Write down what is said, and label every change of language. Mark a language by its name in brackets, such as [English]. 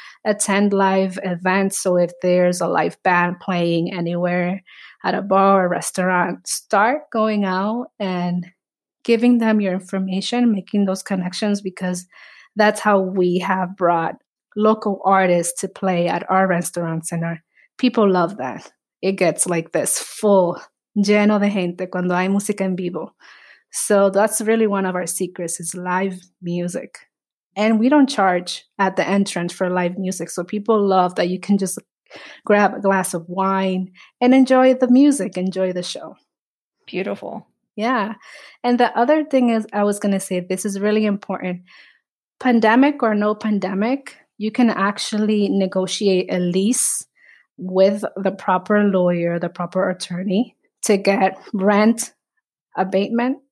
[English] Attend live events. So if there's a live band playing anywhere at a bar or restaurant, start going out and giving them your information, making those connections, because that's how we have brought local artists to play at our restaurants. And our people love that. It gets like this full, [Spanish] lleno de gente cuando hay música en vivo. [English] So that's really one of our secrets, is live music. And we don't charge at the entrance for live music. So people love that you can just grab a glass of wine and enjoy the music, enjoy the show. Beautiful. Yeah. And the other thing is, I was going to say, this is really important. Pandemic or no pandemic, you can actually negotiate a lease with the proper lawyer, the proper attorney, to get rent abatement.